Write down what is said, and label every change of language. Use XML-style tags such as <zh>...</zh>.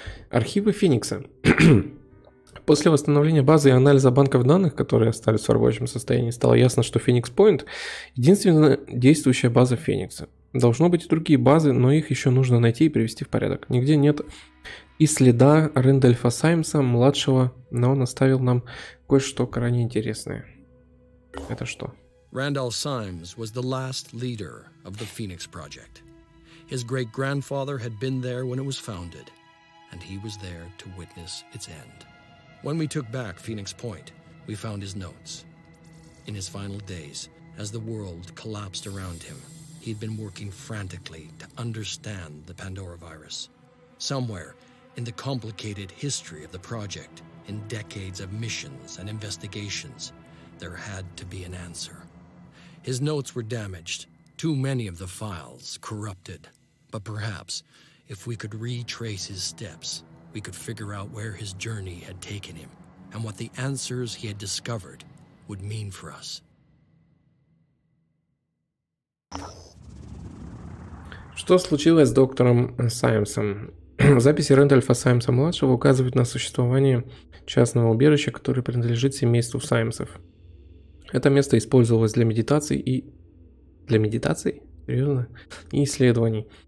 <ru>Архивы Феникса. После восстановления базы и анализа банков данных, которые остались в рабочем состоянии, стало ясно, что Феникс Пойнт – единственная действующая база Феникса. Должно быть и другие базы, но их еще нужно найти и привести в порядок. Нигде нет и следа Рэндольфа Саймса, младшего, но он оставил нам кое-что крайне интересное. Это что?</ru> <en>Randall Symes was the last leader of the Phoenix Project. His great-grandfather had been there when it was founded, and he was there to witness its end. When we took back Phoenix Point, we found his notes. In his final days, as the world collapsed around him, he'd been working frantically to understand the Pandora virus. Somewhere in the complicated history of the project, in decades of missions and investigations, there had to be an answer. His notes were damaged, too many of the files corrupted. But perhaps, if we could retrace his steps, we could figure out where his journey had taken him and what the answers he had discovered would mean for us.</en> <ru>Что случилось с доктором Саймсом? Записи Рэндольфа Саймса-младшего указывают на существование частного убежища, которое принадлежит семейству Саймсов. Это место использовалось для медитации и... Для медитации? Серьезно? И исследований.</ru>